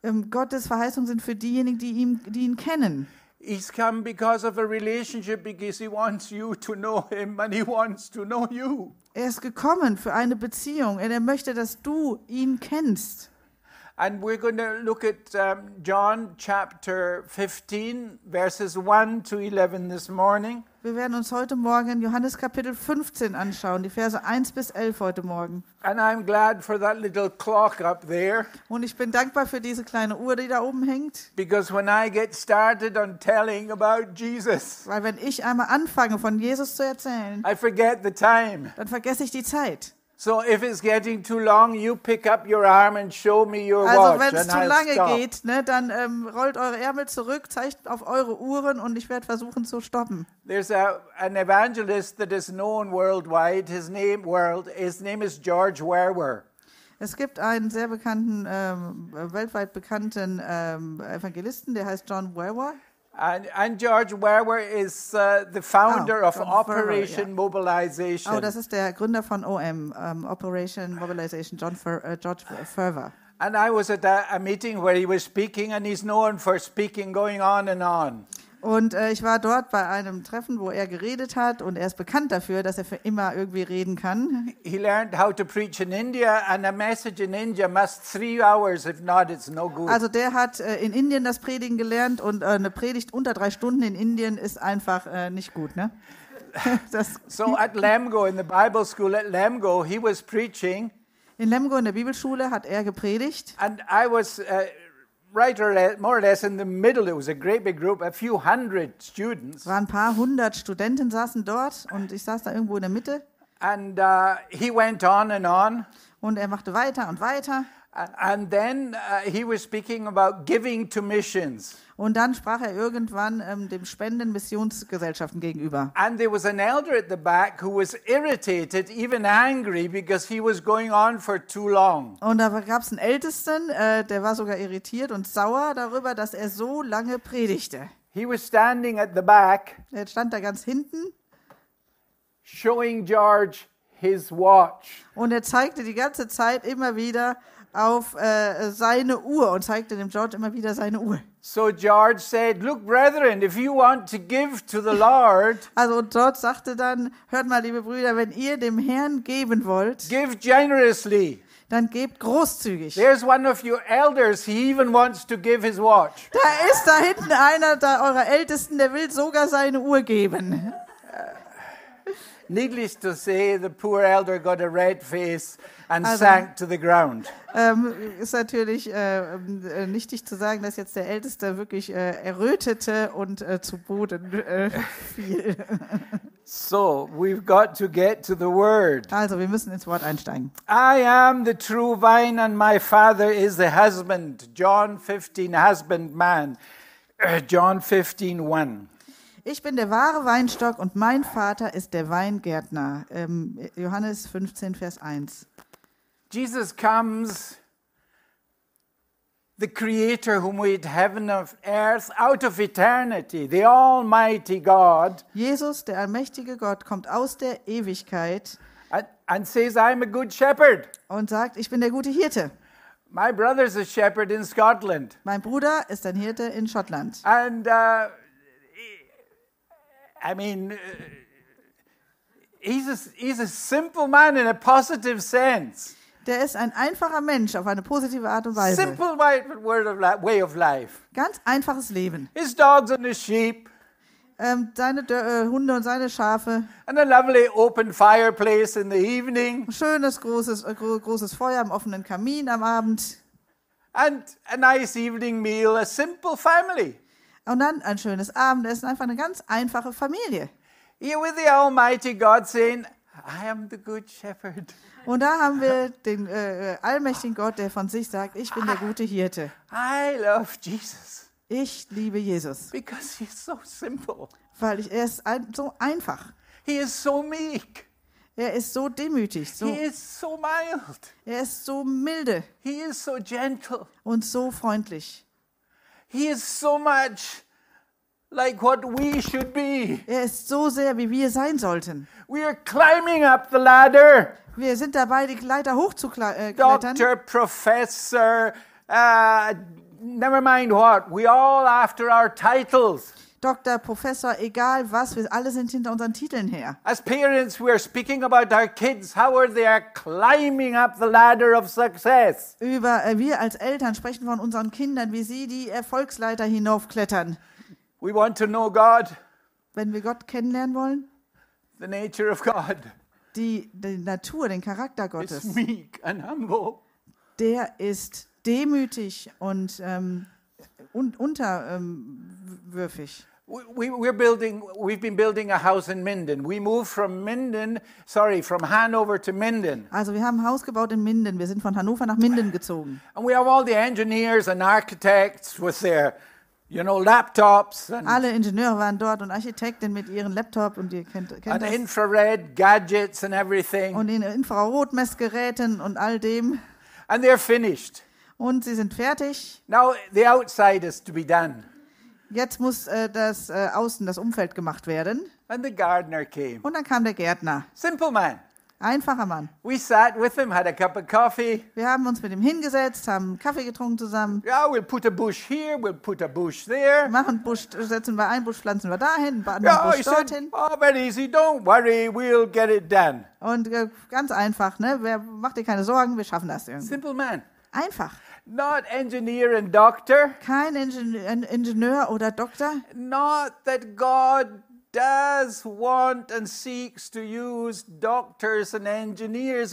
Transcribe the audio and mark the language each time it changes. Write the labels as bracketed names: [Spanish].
[German] Gottes Verheißungen sind für diejenigen, die ihn kennen. [English] He's come because of a relationship, because he wants you to know him and he wants to know you. [German] Er ist gekommen für eine Beziehung und er möchte, dass du ihn kennst. [English] And we're going to look at John chapter 15, verses 1 to 11 this morning. [German] Wir werden uns heute Morgen Johannes Kapitel 15 anschauen, die Verse 1 bis 11 heute Morgen. [English] And I'm glad for that little clock up there. [German] Und ich bin dankbar für diese kleine Uhr, die da oben hängt. [English] Because when I get started on telling about Jesus, [German] weil wenn ich einmal anfange, von Jesus zu erzählen, [English] I forget the time. [German] Dann vergesse ich die Zeit. [English] So if it's getting too long, you pick up your arm and show me your [German] also, [English] watch. [German] Also wenn es zu lange geht, ne, dann rollt eure Ärmel zurück, zeigt auf eure Uhren und ich werde versuchen zu stoppen. [English] There's an evangelist that is known worldwide. His name is George Werwer. [German] Es gibt einen sehr bekannten weltweit bekannten Evangelisten, der heißt John Werwer. [English] And George Werwer is the founder of Operation Furrow, yeah. Mobilization. [German] Oh, das ist der Gründer von OM, Operation Mobilization, George Werwer. [English] And I was at a meeting where he was speaking, and he's known for speaking going on and on. [German] Und ich war dort bei einem Treffen, wo er geredet hat, und er ist bekannt dafür, dass er für immer irgendwie reden kann. [English] He learned how to preach in India, and a message in India must 3 hours, if not, it's no good. [German] Also der hat in Indien das Predigen gelernt, und eine Predigt unter 3 Stunden in Indien ist einfach nicht gut, ne? [English] So at Lemgo, in the Bible school at Lemgo, he was preaching. [German] In Lemgo, in der Bibelschule, hat er gepredigt. [English] And I was... Right or more or less in the middle, it was a great big group, a few hundred students. [German] Waren ein paar hundert Studenten saßen dort, und ich saß da irgendwo in der Mitte. [English] And he went on and on. [German] Und er machte weiter und weiter. [English] And then he was speaking about giving to missions. [German] Und dann sprach er irgendwann dem Spenden Missionsgesellschaften gegenüber. [English] And there was an elder at the back who was irritated, even angry, because he was going on for too long. [German] Und da gab es einen Ältesten, der war sogar irritiert und sauer darüber, dass er so lange predigte. [English] He was standing at the back. [German] Er stand da ganz hinten. [English] Showing George his watch. [German] Und er zeigte die ganze Zeit immer wieder auf seine Uhr und zeigte dem George immer wieder seine Uhr. [English] So George said, "Look, brethren, if you want to give to the Lord." [German] Also George sagte dann, hört mal, liebe Brüder, wenn ihr dem Herrn geben wollt, [English] give generously. [German] Dann gebt großzügig. [English] There's one of your elders. He even wants to give his watch. [German] Da ist da hinten einer da eurer Ältesten, der will sogar seine Uhr geben. [English] Needless to say, the poor elder got a red face and also, sank to the ground. [German] Ist natürlich nichtig zu sagen, dass jetzt der Älteste wirklich errötete und zu Boden fiel. [English] So, we've got to get to the word. [German] Also, wir müssen ins Wort einsteigen. [English] I am the true vine and my father is the husband. John 15, husbandman. John 15, 1. [German] Ich bin der wahre Weinstock und mein Vater ist der Weingärtner. Johannes 15, Vers 1. [English] Jesus comes, the creator who made heaven and earth out of eternity, the almighty God. [German] Jesus, der allmächtige Gott, kommt aus der Ewigkeit [English] and says, I'm a good shepherd. [German] Und sagt, ich bin der gute Hirte. [English] My brother's a shepherd in Scotland. [German] Mein Bruder ist ein Hirte in Schottland. [English] And I mean, he's a simple man in a positive sense. [German] Der ist ein einfacher Mensch auf eine positive Art und Weise. [English] Simple way of life. [German] Ganz einfaches Leben. [English] His dogs and his sheep. [German] Hunde und seine Schafe. [English] And a lovely open fireplace in the evening. [German] Schönes großes Feuer im offenen Kamin am Abend. [English] And a nice evening meal, a simple family. [German] Und dann ein schönes Abendessen, einfach eine ganz einfache Familie. [English] Here with the Almighty God saying, I am the good shepherd. [German] Und da haben wir den allmächtigen Gott, der von sich sagt, ich bin der gute Hirte. [English] I love Jesus. [German] Ich liebe Jesus. [English] Because he is so simple. [German] Weil er ist so einfach. [English] He is so meek. [German] Er ist so demütig. So, [English] he is so mild. [German] Er ist so milde. [English] He is so gentle. [German] Und so freundlich. [English] He is so much like what we should be. [German] Er ist so sehr, wie wir sein sollten. [English] We are climbing up the ladder. [German] Wir sind dabei, die Leiter hochzuklettern. [English] Doctor, Professor, never mind what. We all after our titles. [German] Doktor, Professor, egal was, wir alle sind hinter unseren Titeln her. [English] As parents, we are speaking about our kids, how are they climbing up the ladder of success. [German] Wir als Eltern sprechen von unseren Kindern, wie sie die Erfolgsleiter hinaufklettern. [English] We want to know God. [German] Wenn wir Gott kennenlernen wollen. [English] The nature of God. [German] Die Natur, den Charakter Gottes. [English] It's meek and humble. [German] Der ist demütig und unterwürfig. [English] We've been building a house in Minden. We moved from Hanover to Minden. [German] Also wir haben ein Haus gebaut in Minden. Wir sind von Hannover nach Minden gezogen. [English] And we have all the engineers and architects with their, you know, laptops. And [German] alle Ingenieure waren dort und Architekten mit ihren Laptop und ihr kennt [English] and infrared gadgets and everything. [German] Und in Infrarotmessgeräten und all dem. [English] And they're finished. [German] Und sie sind fertig. [English] Now the outside is to be done. [German] Jetzt muss das Außen, das Umfeld gemacht werden. [English] And the gardener came. [German] Und dann kam der Gärtner. [English] Simple man. [German] Einfacher Mann. [English] We sat with him, had a cup of coffee. [German] Wir haben uns mit ihm hingesetzt, haben Kaffee getrunken zusammen. [English] Yeah, we'll put a bush here, we'll put a bush there. [German] Machen Busch, setzen wir einen Busch, pflanzen wir dahin, einen anderen yeah, Busch dorthin. [English] Said, oh, very easy, don't worry, we'll get it done. [German] Und ganz einfach, ne? Mach dir keine Sorgen, wir schaffen das irgendwie. [English] Simple man. [German] Einfach. [English] Not engineer and doctor. [German] Kein Ingenieur oder Doktor. [English] Not that God does want and seeks to use doctors and engineers.